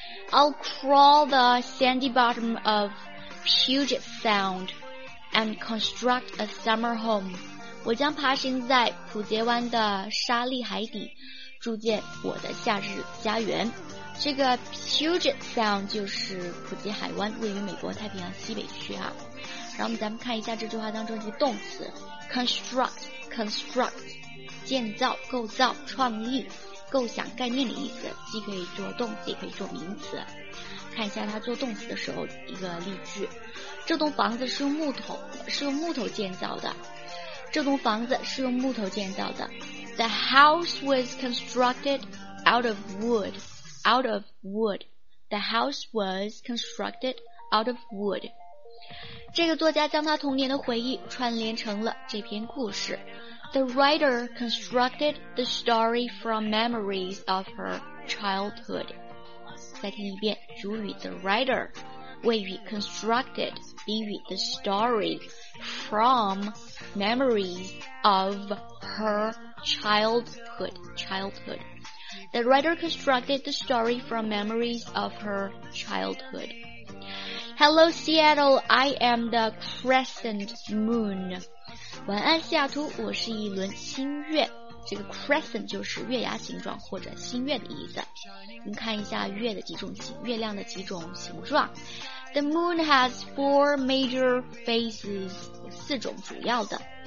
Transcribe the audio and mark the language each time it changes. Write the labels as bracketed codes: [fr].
[en] I'll crawl the sandy bottom of Puget Sound and construct a summer home. [zh] 我将爬行在普杰湾的沙砾海底，筑建我的夏日家园。这个 Puget Sound 就是普吉海湾，位于美国太平洋西北区啊。然后咱们看一下这句话当中的动词 construct 建造、构造、创意、构想、概念的意思，既可以做动词，也可以做名词。看一下它做动词的时候一个例句：这栋房子是用木头建造的。这栋房子是用木头建造的。 [en] The house was constructed out of wood. Out of wood. The house was constructed out of wood. [zh] 这个作家将他童年的回忆串联成了这篇故事。 [en] The writer constructed the story from memories of her childhood. [zh] 再听一遍，主语 [en] the writer, 谓语 constructed, 宾语 the story from memories of her childhood. The writer constructed the story from memories of her childhood. Hello Seattle, I am the crescent moon. [zh] 晚安西雅图，我是一轮新月。这个 crescent 就是月牙形状或者新月的意思。你看一下月亮的几种形状。 [en] The moon has four major phases, [zh] 四种主要的。